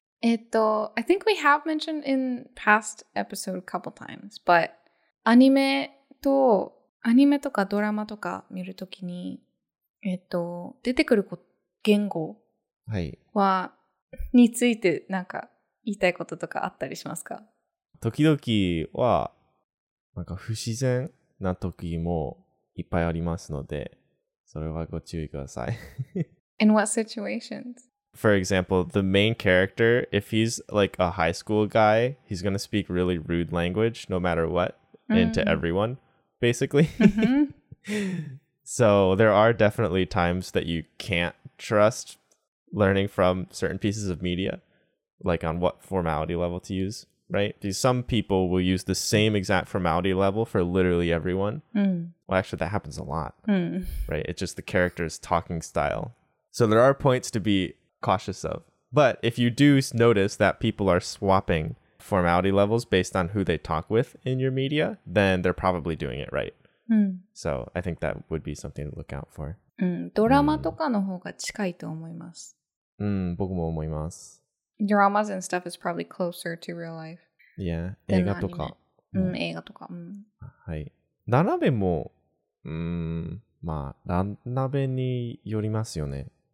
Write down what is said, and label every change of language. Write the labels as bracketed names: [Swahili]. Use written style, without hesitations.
[English] I think we have mentioned in past episode a couple times, but [Japanese] アニメとかドラマとか見るときに、出てくる言語はについてなんか言いたいこととかあったりしますか？時々はなんか不自然な時もいっぱいありますので、それはご注意ください。 [English] In what situations? For example, the main character, if he's like a high school guy, he's going to speak really rude language no matter what and to everyone, basically. So there are definitely times that you can't trust learning from certain pieces of media, like on what formality level to use, right? Because some people will use the same exact formality level for literally everyone. Well, actually, that happens a lot, right? It's just the character's talking style. So there are points to be cautious of. But if you do notice that people are swapping formality levels based on who they talk with in your media, then they're probably doing it right. So I think that would be something to look out for. [Japanese] ドラマとかの方が近いと思います。僕も思います。 [English] Dramas and stuff is probably closer to real life. [Japanese] Yeah, 映画とか。映画とか。はい。ラナベも、まあ、ラナベによりますよね。